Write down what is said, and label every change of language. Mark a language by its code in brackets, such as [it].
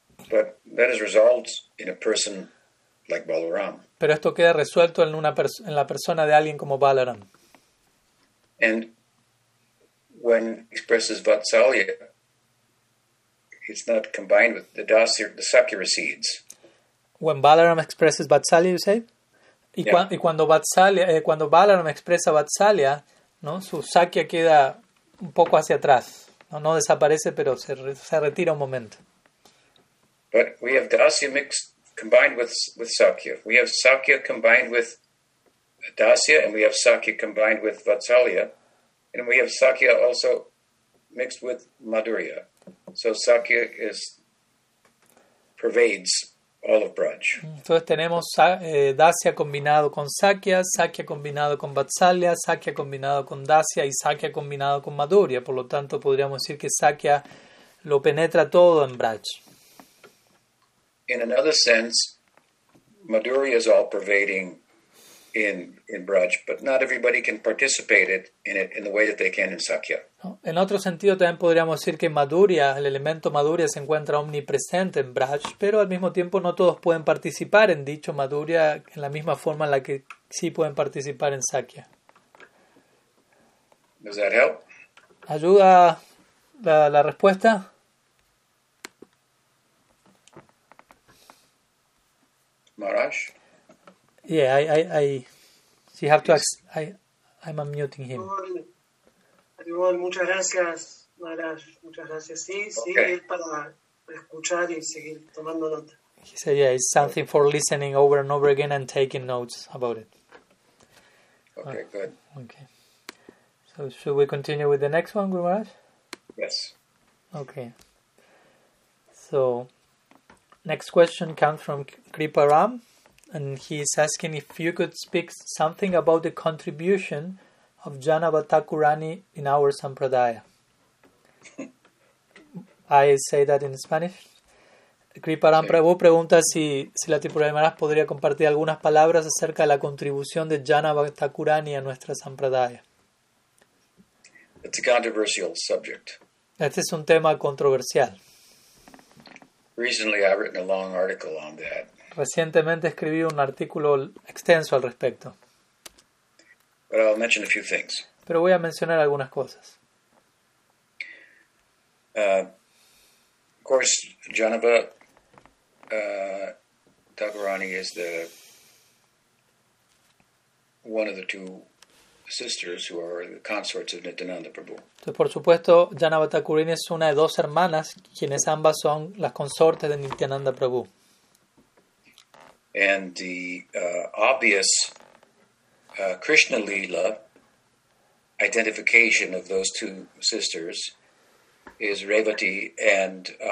[en] But that is resolved in a person like Balaram. [es] Pero esto queda resuelto en una en la persona de alguien como Balaram. [en] And when expresses Vatsalya, it's not combined with the dasya, the sakya recedes. When Balaram expresses Vatsalya, you say? [es] Y cuando Vatsalya, cuando Balaram expresa Vatsalya, ¿no? Su sakya queda un poco hacia atrás. No, no desaparece, pero se retira un momento. [en] But we have dasya mixed combined with sakya. We have sakya combined with dasya, and we have sakya combined with Vatsalya, and we have sakya also mixed with madhurya. So sakya pervades all of Braj. [es] Entonces tenemos dasya combinado con sakya, sakya combinado con vatsalya, sakya combinado con dasya y sakya combinado con madhurya. Por lo tanto, podríamos decir que sakya lo penetra todo en Braj. [en] In another sense, madhurya is all pervading in Braj, but not everybody can participate in it in the way that they can in sakya. [es] En otro sentido también podríamos decir que madhurya, el elemento madhurya se encuentra omnipresente en Braj, pero al mismo tiempo no todos pueden participar en dicho madhurya en la misma forma en la que sí pueden participar en sakya. [en] Does that help? [es] ¿Ayuda la respuesta? Maharaj? [en] Yeah, I so you have to ask, I'm unmuting him. [es] Muchas gracias, Maharaj. Muchas gracias. Sí, sí, es para escuchar y seguir tomando nota. [en] He said, yeah, it's something for listening over and over again and taking notes about it. Okay, good. Okay. So should we continue with the next one, Guru Maharaj? Yes. Okay. So next question comes from Kripa Ram. And he's asking if you could speak something about the contribution of Janava Thakurani in our Sampradaya. I say that in Spanish. [es] Kriparam Prabhu pregunta si la Tripura de Maharaj podría compartir algunas palabras acerca de la contribución de Janava Thakurani a nuestra Sampradaya. [en] It's a controversial subject. [es] Este es un tema controversial. [en] Recently I've written a long article on that. [es] Recientemente escribí un artículo extenso al respecto. [en] But I'll mention a few things. [es] Pero voy a mencionar algunas cosas. [en] Of course, Janava Thakurani is the one of the two sisters who are the consorts of Nityananda Prabhu. [es] Entonces, por supuesto, Janavata Kurini es una de dos hermanas, quienes ambas son las consortes de Nityananda Prabhu. [en] And the obvious Krishna Lila identification of those two sisters is Revati and